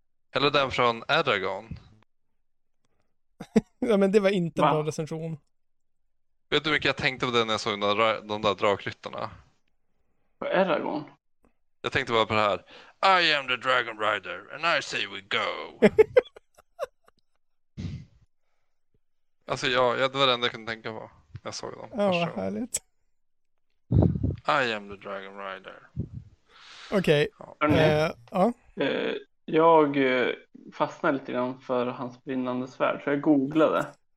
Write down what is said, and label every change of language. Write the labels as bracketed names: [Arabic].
[Swedish] Eller den från Eragon. Ja, men det var inte en bra recension. Vet du hur mycket jag tänkte på det när jag såg de där drakryttarna? På Eragon? Jag tänkte bara på det här. [English] I am the dragon rider and I say we go. [Swedish] Alltså jag, det var det enda jag kunde tänka på. Jag såg dem. Ja, vad härligt. [English] I am the dragon rider. [Swedish] Okej. Okay. Ja. Jag fastnade lite grann för hans brinnande svärd, så jag googlade.